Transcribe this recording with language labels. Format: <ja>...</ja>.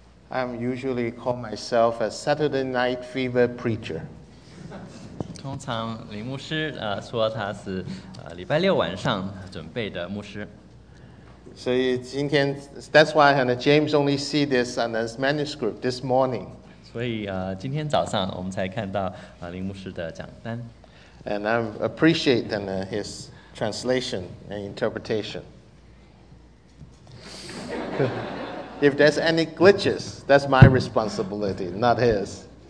<en>I'm usually call myself a Saturday Night Fever preacher.</en> <zh>通常李牧师说他是礼拜六晚上准备的牧师。所以今天</zh> <en>that's why and James only see this on his manuscript this morning.</en> <zh>所以今天早上我们才看到李牧师的讲单。</zh> <en>And I appreciate and his translation and interpretation. If there's any glitches, that's my responsibility, not his.</en>